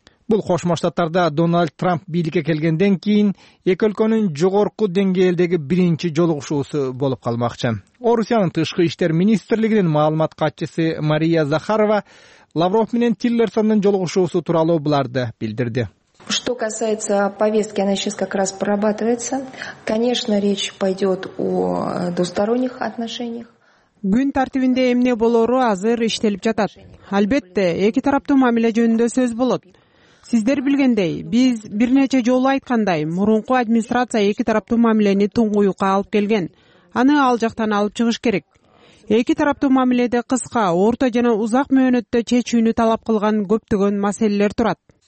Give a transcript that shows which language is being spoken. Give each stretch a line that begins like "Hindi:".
Kyrgyz: Бул Кошмо Штаттарда Дональд Трамп бийликке келгенден кийин эки өлкөнүн жогорку деңгээлдеги биринчи жолугушуусу болуп калмакчы. Орусиянын тышкы иштер министрлигинин маалымат катчысы Мария Захарова Лавров менен Тиллерсондун жолугушуусу тууралуу буларды билдирди.
Russian: Что касается повестки, она сейчас как раз прорабатывается. Конечно, речь пойдет о двусторонних отношениях.
Kyrgyz: Күн тартибинде эмне болору азыр иштелип жатат. Албетте, эки тараптуу мамиле жөнүндө сөз болот. Сиздер билгендей, биз бир нече жолу айткандай, мурунку администрация эки тараптуу мамилени туңгуюкка алып келген. Аны ал жактан алып чыгыш керек. Эки тараптуу мамиледе кыска, орто жана узак мөөнөттө чечүүнү талап кылган көптөгөн маселелер турат.